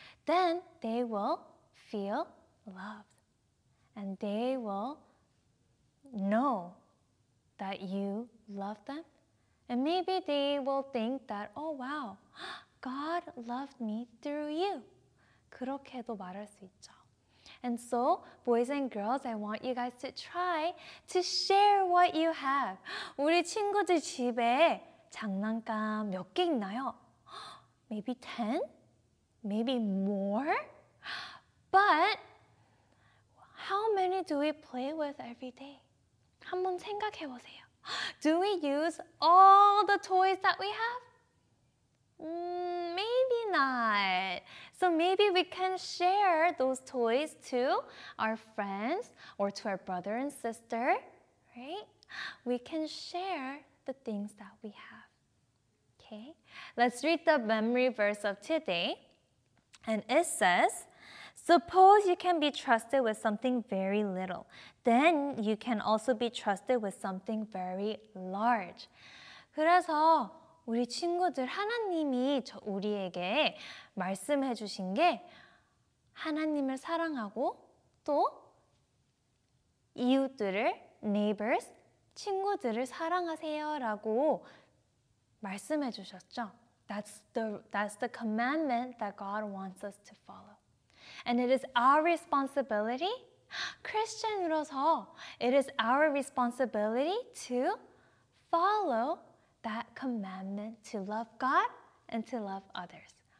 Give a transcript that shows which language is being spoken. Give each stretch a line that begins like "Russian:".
English: Then they will feel loved. And they will know that you love them. And maybe they will think that, oh wow, God loved me through you.
Korean: 그렇게도 말할 수 있죠.
English: And so, boys and girls, I want you guys to try to share what you have.
Korean: 우리 친구들 집에 장난감 몇 개 있나요?
English: Maybe 10? Maybe more? But how many do we play with every day?
Korean: 한번 생각해 보세요.
English: Do we use all the toys that we have? Maybe not. So So maybe we can share those toys to our friends or to our brother and sister, right? We can share the things that we have. Okay, let's read the memory verse of today. And it says, suppose you can be trusted with something very little, then you can also be trusted with something very large.
Korean: 그래서 우리 친구들 하나님이 우리에게 말씀해 주신 게 하나님을 사랑하고 또 이웃들을, neighbors, 친구들을 사랑하세요라고 말씀해 주셨죠?
English: That's the commandment that God wants us to follow. And it is our responsibility, Christian으로서, it is our responsibility to follow that commandment to love God and to love others.